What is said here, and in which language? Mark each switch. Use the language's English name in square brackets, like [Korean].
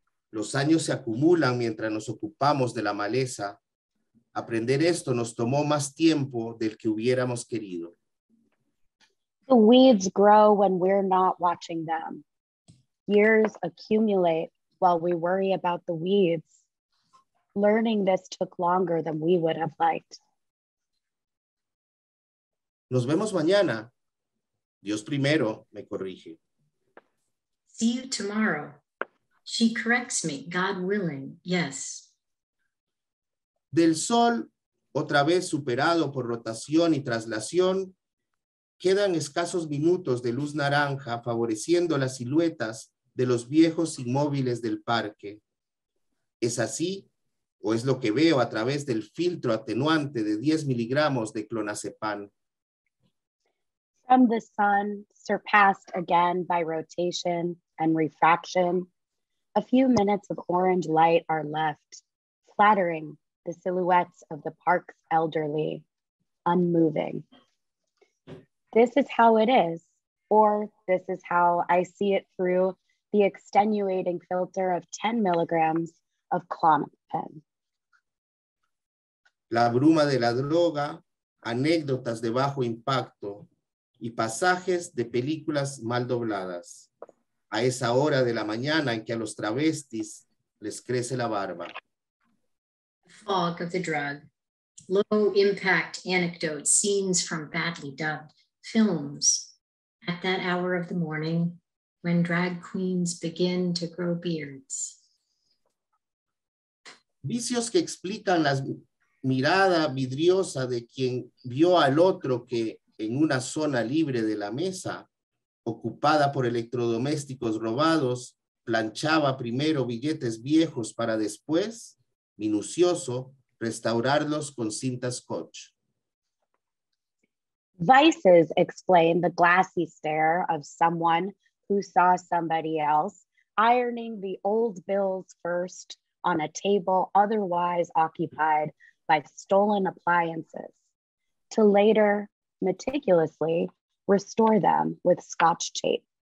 [Spanish] Los años se acumulan mientras nos ocupamos de la maleza. Aprender esto nos tomó más tiempo del que hubiéramos querido. [English] The weeds grow when we're not watching them. Years accumulate while we worry about the weeds. Learning this took longer than we would have liked. [Spanish] Nos vemos mañana. Dios primero, me corrige. [English] See you tomorrow. She corrects me, God willing, yes. [Spanish] Del sol, otra vez superado por rotación y traslación, quedan escasos minutos de luz naranja favoreciendo las siluetas de los viejos inmóviles del parque. ¿Es así? ¿O es lo que veo a través del filtro atenuante de 10 miligramos de clonazepam? [English] From the sun, surpassed again by rotation and refraction, a few minutes of orange light are left, flattering the silhouettes of the park's elderly, unmoving. This is how it is, or this is how I see it through the extenuating filter of 10 milligrams of clonopin. [Spanish] La bruma de la droga, anécdotas de bajo impacto, y pasajes de películas mal dobladas. A esa hora de la mañana en que a los travestis les crece la barba. [English] Fog of the drug. Low impact anecdotes, scenes from badly dubbed films. At that hour of the morning, when drag queens begin to grow beards. [Spanish] Vicios que explican la mirada vidriosa de quien vio al otro que en una zona libre de la mesa, ocupada por electrodomésticos robados, planchaba primero billetes viejos para después, minucioso, restaurarlos con cinta scotch. [English] Vices explain the glassy stare of someone who saw somebody else ironing the old bills first on a table otherwise occupied by stolen appliances, to later meticulously restore them with scotch tape.